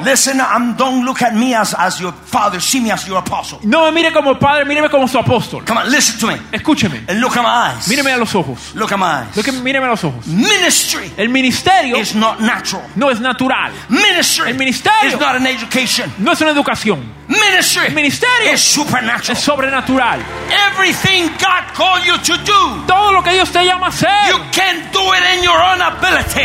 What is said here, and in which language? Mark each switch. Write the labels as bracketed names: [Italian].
[English] Listen, don't look at me as your father. See me as your apostle. [Spanish] No me mire como padre, míreme como su apóstol. [English] Come on, listen to me. [Spanish] Escúcheme. [English] And look at my eyes. [Spanish] Míreme a los ojos. [English] Look at my eyes. Look at, [Spanish] míreme a los ojos. [English] Ministry. [Spanish] El ministerio [English] is not natural. [Spanish] No es natural. [English] Ministry. [Spanish] El ministerio [English] is not an education. [Spanish] No es una educación. [English] Ministry. [Spanish] El ministerio [English] is supernatural. [Spanish] Es sobrenatural. [English] Everything God called you to do. [Spanish] Todo lo que Dios te llama a hacer. [English] You can't do it in your own ability.